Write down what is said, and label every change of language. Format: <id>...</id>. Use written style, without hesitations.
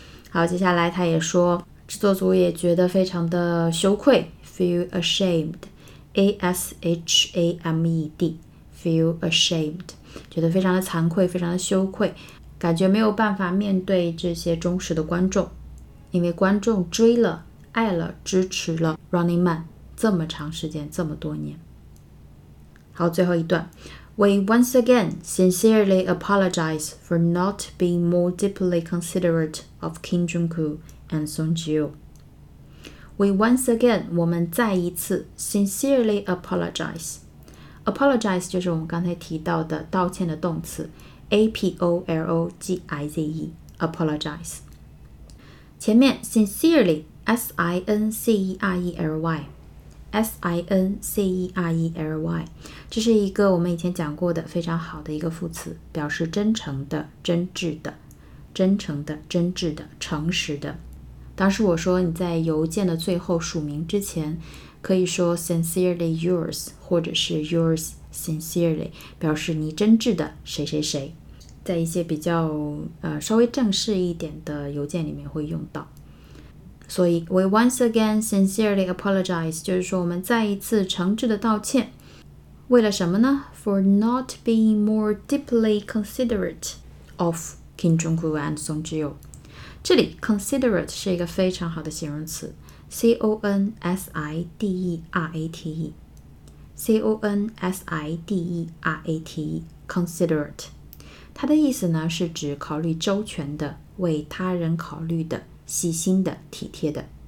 <zh>好，接下来他也说制作组也觉得非常的羞愧，</zh> <en>feel ashamed,</en> <zh>A-S-H-A-M-E-D,feel ashamed, 觉得非常的惭愧，非常的羞愧，感觉没有办法面对这些忠实的观众，因为观众追了、爱了、支持了 Running Man 这么长时间，这么多年。好，最后一段，</zh> <en>We once again sincerely apologize for not being more deeply considerate of Kim Jong-kook and Song Ji-ho. We once again,</en> <zh>我们再一次</zh> <en>sincerely apologize,</en> <zh>Apologize 就是我们刚才提到的道歉的动词 A-P-O-L-O-G-I-Z-E Apologize 前面 Sincerely S-I-N-C-E-R-E-L-Y S-I-N-C-E-R-E-L-Y 这是一个我们以前讲过的非常好的一个副词，表示真诚的、真挚的、真诚的、真挚的、诚实的。当时我说你在邮件的最后署名之前可以说</zh> <en>sincerely yours</en> <zh>或者是</zh> <en>yours sincerely,</en> <zh>表示你真挚的谁谁谁，在一些比较稍微正式一点的邮件里面会用到。所以</zh> <en>we once again sincerely apologize</en> <zh>就是说我们再一次诚挚的道歉，为了什么呢？</zh> <en>For not being more deeply considerate of Kim Jong-kook and Song Ji-ho。</en> <zh>这里 considerate 是一个非常好的形容词，C-O-N-S-I-D-E-R-A-T-E C-O-N-S-I-D-E-R-A-T-E Considerate 它的意思呢是指考虑周全的，为他人考虑的，细心的，体贴的。</zh>